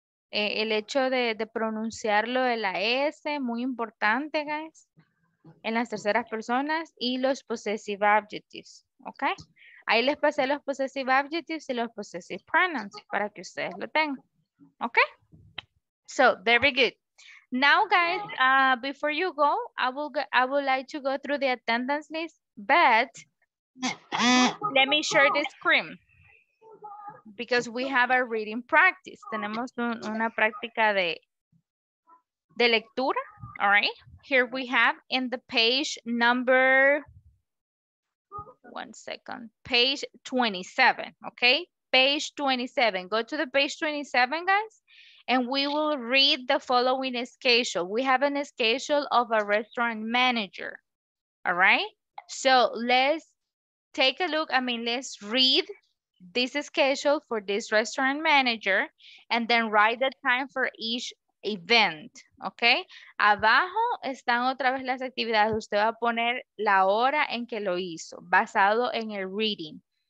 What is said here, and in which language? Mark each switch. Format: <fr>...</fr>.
<es>El hecho de pronunciar lo de la S, muy importante, guys, en las terceras personas, y los possessive adjectives, ¿ok? Ahí les pasé los possessive adjectives y los possessive pronouns para que ustedes lo tengan, ¿ok?</es> <en>So, very good. Now, guys, before you go, I would like to go through the attendance list, but let me share the screen because we have a reading practice.</en> <es>Tenemos una práctica de lectura,</es> <en>all right? Here we have in the page number, one second, page 27, okay? Page 27. Go to the page 27, guys. And we will read the following schedule. We have an schedule of a restaurant manager. All right. So let's take a look. I mean, let's read this schedule for this restaurant manager and then write the time for each event.</en> <es>Okay. Abajo están otra vez las actividades. Usted va a poner la hora en que lo hizo, basado en el reading.</es>